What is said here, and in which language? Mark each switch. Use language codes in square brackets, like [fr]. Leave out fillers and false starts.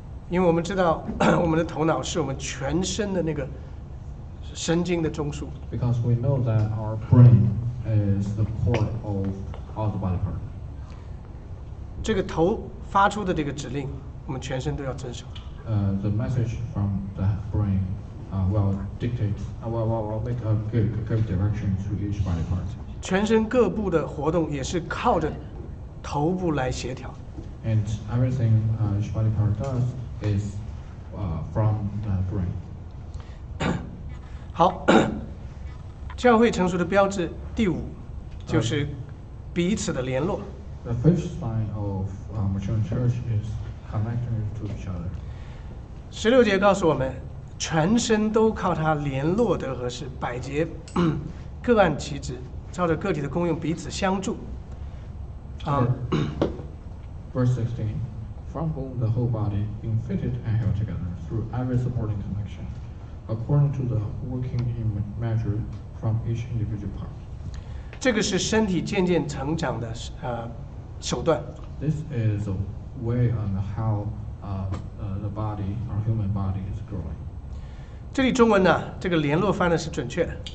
[zh] 因为我们知道我们的头脑是我们全身的那个神经的中枢。 [en] Because we know that our brain is the core of all the body part. [zh] 这个头发出的这个指令，我们全身都要遵守。 [en] The message from the brain will dictate, will make a good direction to each body part. [zh] 全身各部的活动也是靠着头部来协调。 [en] And everything each body part does is from the brain. [zh] 好，教会成熟的标志第五就是彼此的联络。 [en] The first sign of mature church is connecting to each other. [zh] 十六节告诉我们，全身都靠他联络得合适，百节各按其职，照着个体的功用彼此相助。 [en] Verse 16, from whom the whole body, being fitted and held together through every supporting connection, according to the working in measure from each individual part. [zh] 这个是身体渐渐成长的手段。 [en] This is a way on how. The body, our human body is growing. [zh] 这里中文呢，这个联络翻的是准确的。